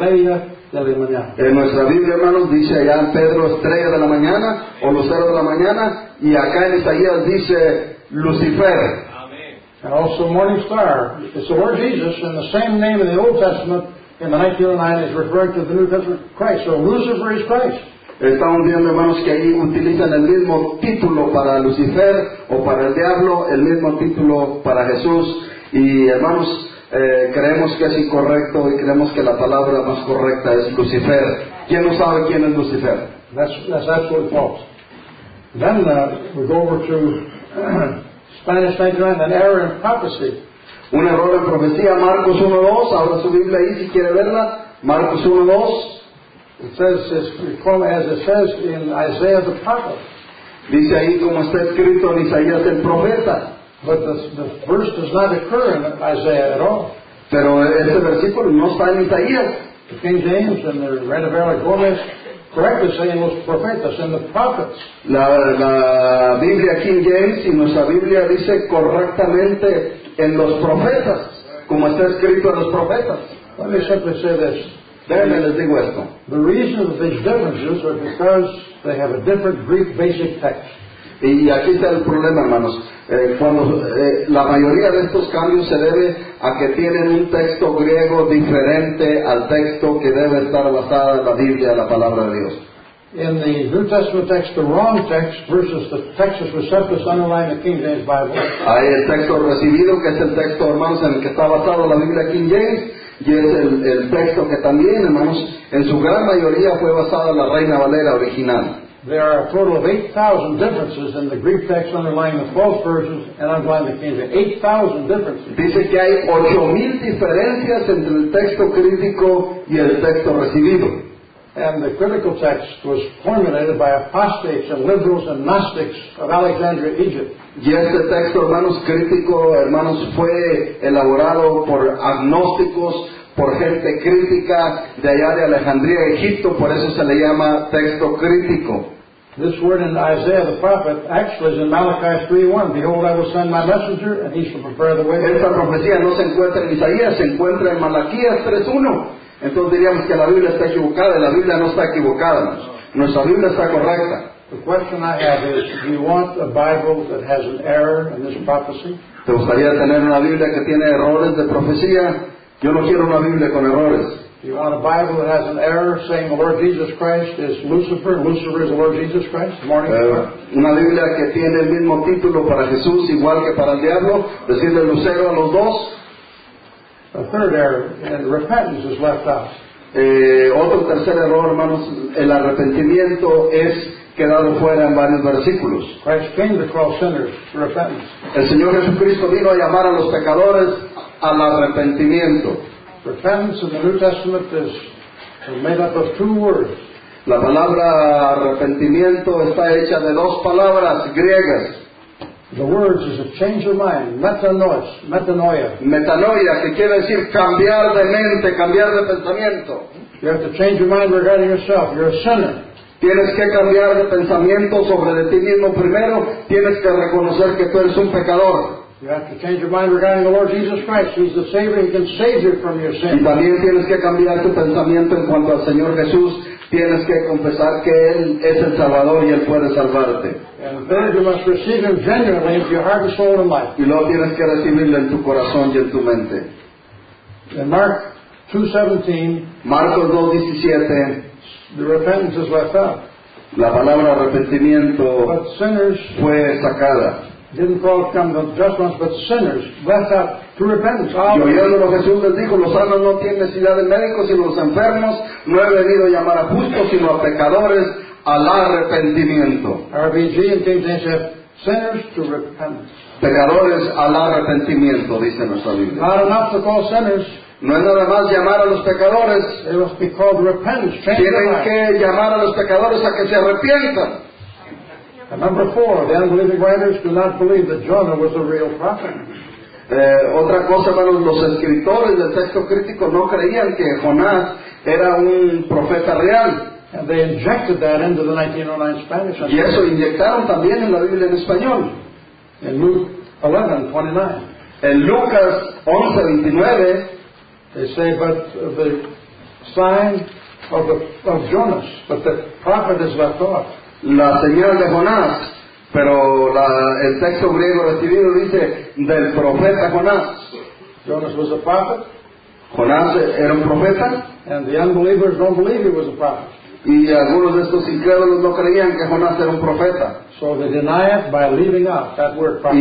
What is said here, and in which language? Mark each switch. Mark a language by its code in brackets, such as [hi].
[es] En nuestra Biblia, hermanos, dice allá en Pedro estrella de la mañana o lucero de la mañana, y acá en Isaías dice Lucifer. [en] And also morning star. It's the Lord Jesus, and the same name in the Old Testament in the 1909 is referring to the New Testament Christ. So Lucifer is Christ. [es] Estamos viendo, hermanos, que ahí utilizan el mismo título para Lucifer o para el diablo, el mismo título para Jesús. Y, hermanos, creemos que es incorrecto y creemos que la palabra más correcta es Lucifer. ¿Quién no sabe quién es Lucifer? [en] That's absolutely false. Then we go over to Spanish 1909, an error in prophecy. [es] Un error en profecía, Marcos 1:2. Abra su Biblia ahí si quiere verla. Marcos 1:2. [en] It says, as it says in Isaiah the prophet. [es] Dice ahí como está escrito en Isaías el profeta. [en] But the verse does not occur in Isaiah at all. [es] Pero ese versículo no está en Isaías. [en] The King James and the Reina Valera Gómez correctly say in [es] los profetas, [en] in the prophets. [es] La Biblia King James y nuestra Biblia dice correctamente en los profetas, como está escrito en los profetas. [en] Let me simply say this. The reason of these differences are because they have a different Greek basic text. [es] Y aquí está el problema, hermanos. La mayoría de estos cambios se debe a que tienen un texto griego diferente al texto que debe estar basada en la Biblia, la palabra de Dios. [en] In the New Testament text, the wrong text versus the text as receptus underlying the King James Bible. [es] Hay el texto recibido, que es el texto, hermanos, en el que está basado la Biblia King James. Y es el texto que también, hermanos, en su gran mayoría fue basado en la Reina Valera original. [en] There are a total of 8,000 differences in the Greek text underlying the false versions and underlying the King James. 8,000 differences. [es] Dice que hay 8,000 diferencias entre el texto crítico y el texto recibido. [en] And the critical text was formulated by apostates and liberals and Gnostics of Alexandria, Egypt. [es] Y este texto, hermanos, crítico, hermanos, fue elaborado por agnósticos, por gente crítica de allá de Alejandría, Egipto. Por eso se le llama texto crítico. [en] This word in Isaiah the prophet actually is in Malachi 3:1. Behold, I will send my messenger, and he shall prepare the way. [es] Esta profecía no se encuentra en Isaías, se encuentra en Malaquías 3:1. Entonces diríamos que la Biblia está equivocada, y la Biblia no está equivocada. Nuestra Biblia está correcta. [en] The question I have is, do you want a Bible that has an error in this prophecy? [es] ¿Te gustaría tener una Biblia que tiene errores de profecía? Yo no quiero una Biblia con errores. [en] Do you want a Bible that has an error saying the Lord Jesus Christ is Lucifer, Lucifer is the Lord Jesus Christ? [es] Una Biblia que tiene el mismo título para Jesús igual que para el diablo, decirle Lucero a los dos. [en] A third error, and repentance is left out. [es] Otro tercer error, hermanos, el arrepentimiento es quedado fuera en varios versículos. [en] Christ came to call sinners to repentance. [es] El Señor Jesucristo vino a llamar a los pecadores al arrepentimiento. [en] Repentance in the New Testament is made up of two words. [es] La palabra arrepentimiento está hecha de dos palabras griegas. [en] The words is a change of mind, metanoia. [es] Metanoia, que quiere decir cambiar de mente, cambiar de pensamiento. [en] You have to change your mind regarding yourself. You're a sinner. [es] Tienes que cambiar de pensamiento sobre de ti mismo primero. Tienes que reconocer que tú eres un pecador. [en] You have to change your mind regarding the Lord Jesus Christ. He's the Savior. He can save you from your sin. [es] Y también tienes que cambiar tu pensamiento en cuanto al Señor Jesús. Tienes que confesar que Él es el Salvador y Él puede salvarte. [en] And you must receive Him genuinely into your heart, soul, and life. [es] Y luego tienes que recibirlo en tu corazón y en tu mente. [en] In Mark 2:17, [es] Marcos 2:17, [en] the repentance is left out. [es] La palabra arrepentimiento fue sacada. [en] Didn't call them the just ones, but sinners left out through repentance. [es] Y oyendo lo que Jesús les dijo, los sanos no tienen necesidad de médicos, sino los enfermos. No he venido a llamar a justos, sino a pecadores al arrepentimiento. [en] RBG and King James said, sinners to repentance. [es] Pecadores al arrepentimiento, dice nuestra Biblia. [en] Not enough to call sinners. [es] No es nada más llamar a los pecadores. [en] They must be called repentance. [es] Tienen que llamar a los pecadores a que se arrepientan. [en] And number four, the unbelieving writers do not believe that Jonah was a real prophet. [es] Otra cosa, hermanos, los escritores del texto crítico no creían que Jonás era un profeta real. [en] And they injected that into the 1909 Spanish. [es] Y eso inyectaron también en la Biblia en español. [en] In Luke 11:29. [es] En Lucas 11:29, [en] they say, but the sign of Jonas, but the prophet is left off. [es] La señal de Jonás, pero el texto griego recibido dice del profeta Jonás. [en] Jonas was a prophet. [es] Jonás era un profeta. [en] And the unbelievers don't believe he was a prophet. [es] Y algunos de estos incrédulos no creían que Jonás era un profeta. [en] So they deny it by leaving out that word prophet.